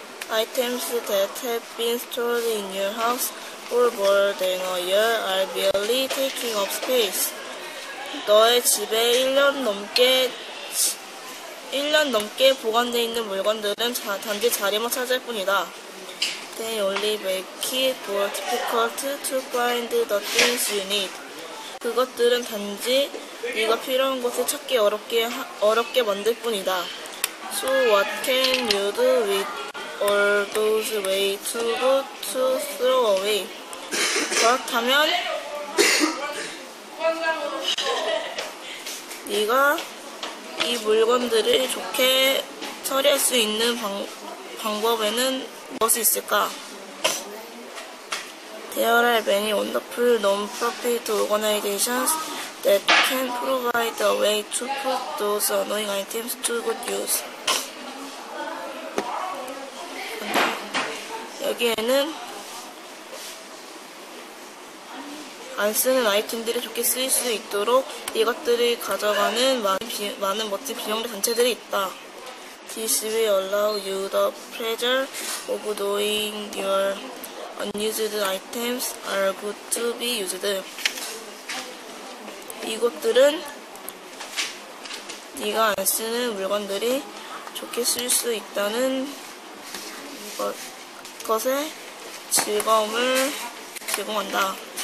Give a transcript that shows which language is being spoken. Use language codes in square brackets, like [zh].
[en] Items that have been stored in your house for more than a year are merely taking up space. [ko] 너의 집에 1년 넘게 보관되어 있는 물건들은 단지 자리만 찾을 뿐이다. [en] They only make it more difficult to find the things you need. [ko] 그것들은 단지 네가 필요한 것을 찾기 어렵게 만들 뿐이다. [en] So what can you do with all those way too good to throw away? [ko] 그렇다면 네가 이 물건들을 좋게 처리할 수 있는 방법에는 무엇이 있을까? [en] There are many wonderful non-profit organizations that can provide a way to put those annoying items to good use. [ko] 여기에는 안 쓰는 아이템들이 좋게 쓰일 수 있도록 이것들을 가져가는 많은 멋진 비영리 단체들이 있다. [en] This will allow you the pleasure of knowing your unused items are good to be used. [ko] 이것들은 네가 안 쓰는 물건들이 좋게 쓰일 수 있다는 것에 즐거움을 제공한다.